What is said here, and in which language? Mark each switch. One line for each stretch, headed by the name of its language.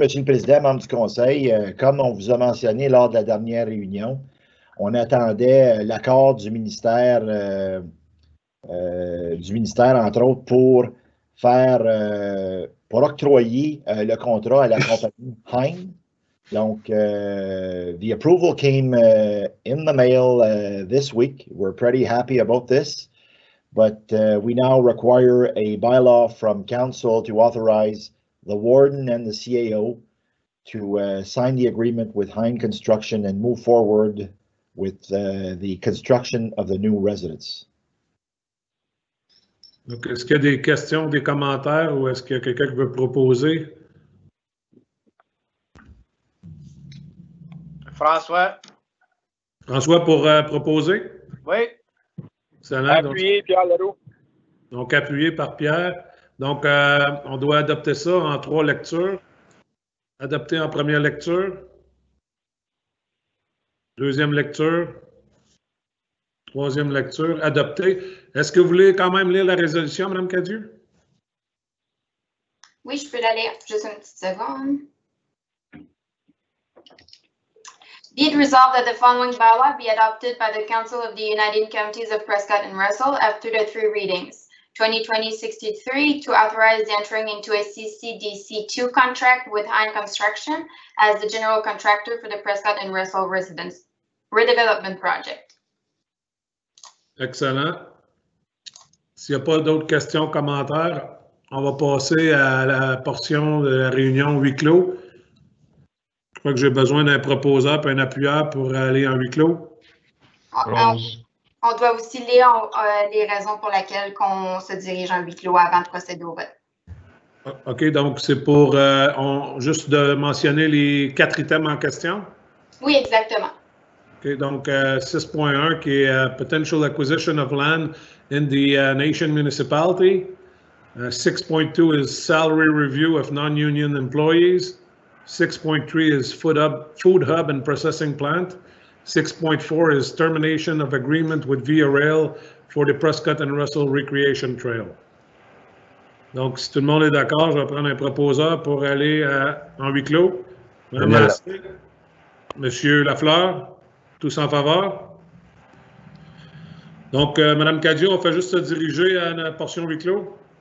French: le Président, membre du Conseil, comme on vous a mentionné lors de la dernière réunion, on attendait l'accord du ministère, entre autres, pour faire... pour octroyer le contrat à la compagnie Hine. Donc,
English: the approval came in the mail this week. We're pretty happy about this. But we now require a bylaw from council to authorize the warden and the CAO to sign the agreement with Hein Construction and move forward with the construction of the new residence.
French: Donc, est-ce qu'il y a des questions, des commentaires ou est-ce qu'il y a quelqu'un qui veut proposer? François pour proposer? Oui. Excellent. Appuyé donc, Pierre Leroux. Donc, appuyé par Pierre. Donc, on doit adopter ça en trois lectures. Adopté en première lecture. Deuxième lecture. Troisième lecture. Adopté. Est-ce que vous voulez quand même lire la résolution, Mme Cadieu? Oui, je peux la lire. Juste une petite seconde.
English: Be it resolved that the following bylaw be adopted by the Council of the United Counties of Prescott and Russell after the three readings. 2020-63 to authorize the entering into a CCDC2 contract with Hein Construction as the general contractor for the Prescott and Russell residence redevelopment project.
French: Excellent. S'il n'y a pas d'autres questions, commentaires, on va passer à la portion de la réunion huis clos. Je crois que j'ai besoin d'un proposant et un appuyeur pour aller en huis clos. On doit aussi lire les raisons pour lesquelles on se dirige en huis clos avant de procéder au vote. OK, donc c'est pour juste de mentionner les quatre items en question? Oui, exactement. OK, donc 6.1 qui est
English: Potential Acquisition of Land in the Nation Municipality. 6.2 is Salary Review of Non-Union Employees. 6.3 is food hub and processing plant. 6.4 is termination of agreement with Via Rail for the Prescott and Russell Recreation Trail.
French: Donc, si tout le monde est d'accord, je vais prendre un proposeur pour aller en huis clos. Madame Astier, Monsieur Lafleur, tous en faveur? Donc, Madame Cadieu, on fait juste se diriger à la portion huis clos.